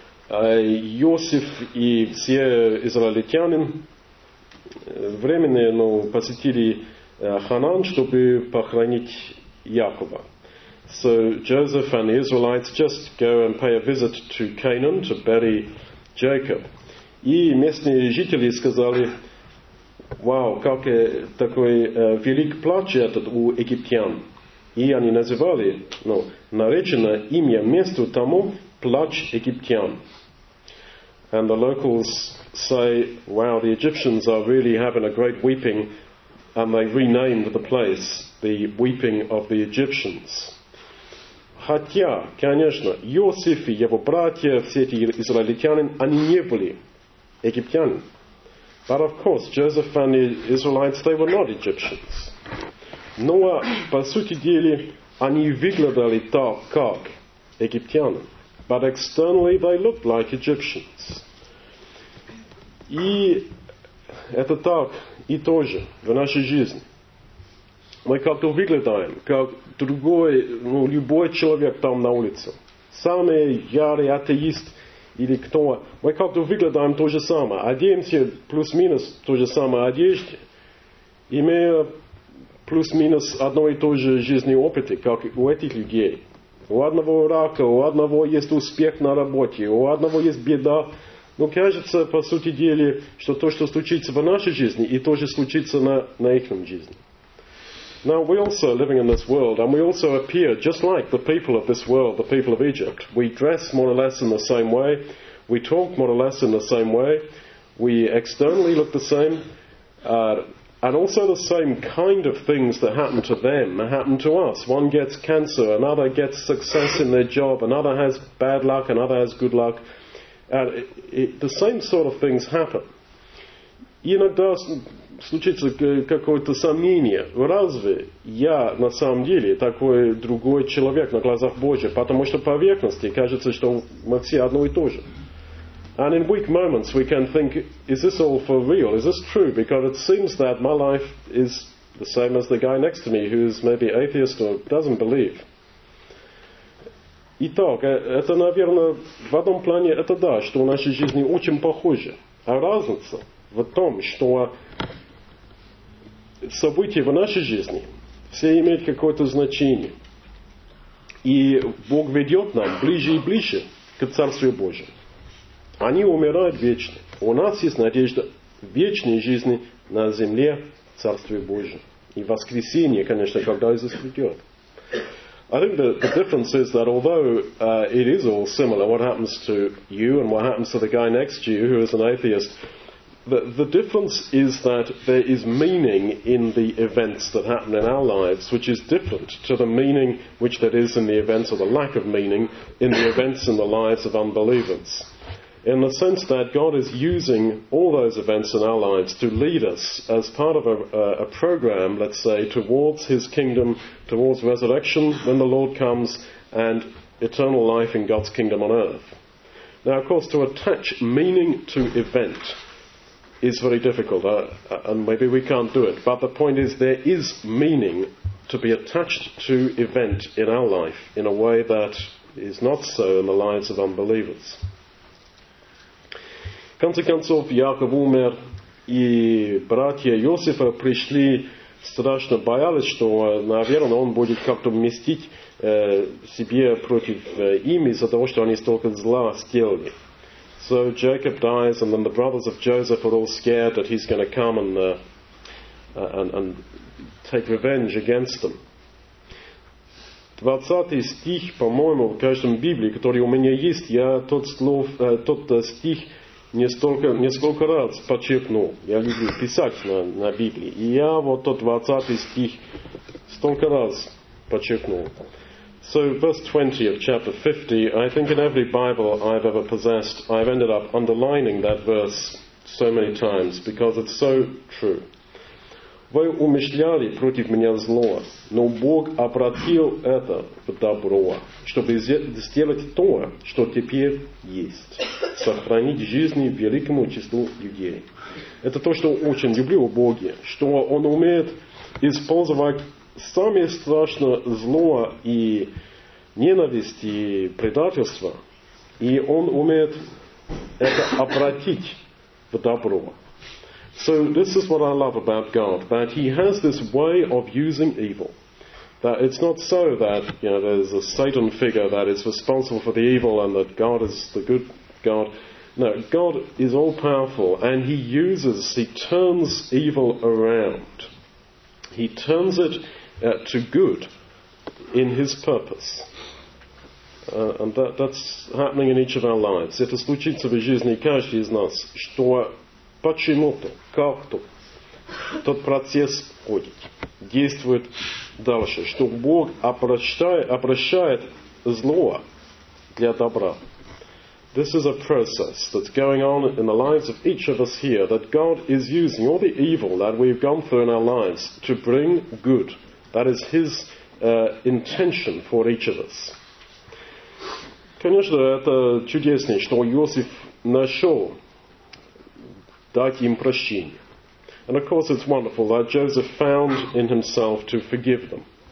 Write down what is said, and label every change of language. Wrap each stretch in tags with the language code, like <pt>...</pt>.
<ru>Иосиф и все израильтяне временные, но посетили Ханан, чтобы похоронить Якова.</ru> <en>So Joseph and the Israelites just go and pay a visit to Canaan to bury Jacob.</en> <ru>И местные жители сказали, вау, как такой велик плач этот у египтян. И они называли, ну, наречено имя месту тому плач египтян.</ru> <en>And the locals say, wow, the Egyptians are really having a great weeping, and they renamed the place the Weeping of the Egyptians.</en> <ru>Хотя, конечно, Иосиф и его братья, все эти израильтяне, они не были египтяне.</ru> <en>But of course, Joseph and the Israelites, they were not Egyptians.</en> <ru>Но, по сути дела, они выглядели так, как египтяне.</ru> <en>But externally, they looked like Egyptians.</en> <ru>И это так и тоже в нашей жизни. Мы как-то выглядаем, как другой, ну, любой человек там на улице. Самый ярый атеист или кто. Мы как-то выглядаем то же самое. Одеемся плюс-минус то же самое одежде. Имея плюс-минус одно и то же жизненный опыт, как у этих людей. У одного рака, у одного есть успех на работе, у одного есть беда. Но кажется, по сути дела, что то, что случится в нашей жизни, и то же случится на их жизни.</ru> <en>Now we also are living in this world, and we also appear just like the people of this world, the people of Egypt. We dress more or less in the same way, we talk more or less in the same way, we externally look the same, and also the same kind of things that happen to them happen to us. One gets cancer, another gets success in their job, another has bad luck, another has good luck. The same sort of things happen.</en> <ru>Иногда случится какое-то сомнение. Разве я на самом деле такой другой человек на глазах Божьих? Потому что поверхности кажется, что мы все одно и то же.</ru> <en>And in weak moments we can think, is this all for real? Is this true? Because it seems that my life is the same as the guy next to me who is maybe atheist or doesn't believe.</en> <ru>Итак, это, наверное, в одном плане это да, что в нашей жизни очень похоже. А разница в том, что события в нашей жизни все имеют какое-то значение. И Бог ведет нам ближе и ближе к Царству Божьему. Они умирают вечно. У нас есть надежда вечной жизни на земле Царствия Божьего. И воскресение, конечно, когда Иисус придет.</ru> <en>I think the difference is that although it is all similar, what happens to you and what happens to the guy next to you who is an atheist, the difference is that there is meaning in the events that happen in our lives, which is different to the meaning which there is in the events, or the lack of meaning in the events in the lives of unbelievers. In the sense that God is using all those events in our lives to lead us as part of a program, let's say, towards His kingdom, towards resurrection when the Lord comes, and eternal life in God's kingdom on earth. Now, of course, to attach meaning to event is very difficult, and maybe we can't do it. But the point is, there is meaning to be attached to event in our life in a way that is not so in the lives of unbelievers.</en> <ru>В конце концов, Яков умер, и братья Иосифа пришли, страшно боялись, что, наверное, он будет как-то мстить себе против им из-за того, что они столько зла сделали.</ru> <en>So Jacob dies, and then the brothers of Joseph are all scared that he's going to come and take revenge against them.</en> <ru>20 стих, по-моему, в каждом Библии, который у меня есть, я тот стих... несколько раз подчеркнул. Я люблю писать на Библии. И я вот тот 20 стих столько раз подчеркнул.</ru> <en>So, verse 20 of chapter 50, I think in every Bible I've ever possessed, I've ended up underlining that verse so many times, because it's so true.</en> <ru>Вы умышляли против меня зло, но Бог обратил это в добро, чтобы сделать то, что теперь есть. Сохранить жизни великому числу людей. Это то, что очень люблю у Бога, что Он умеет использовать самое страшное зло и ненависть и предательство, и Он умеет это обратить в добро.</ru> <en>So this is what I love about God, that He has this way of using evil. That it's not so that, you know, there's a Satan figure that is responsible for the evil and that God is the good God. No, God is all-powerful and He turns evil around. He turns it to good in his purpose. And that's happening in each of our lives.</en> <ru>Это случится в жизни каждого из нас, что почему-то, как-то тот процесс ходит, действует дальше, что Бог обращает зло для добра.</ru> <en>This is a process that's going on in the lives of each of us here, that God is using all the evil that we've gone through in our lives to bring good. That is His intention for each of us.</en> <ru>Конечно, это чудесно, что Иосиф нашел дать им прощение.</ru> <en>And of course it's wonderful that Joseph found in himself to forgive them.</en>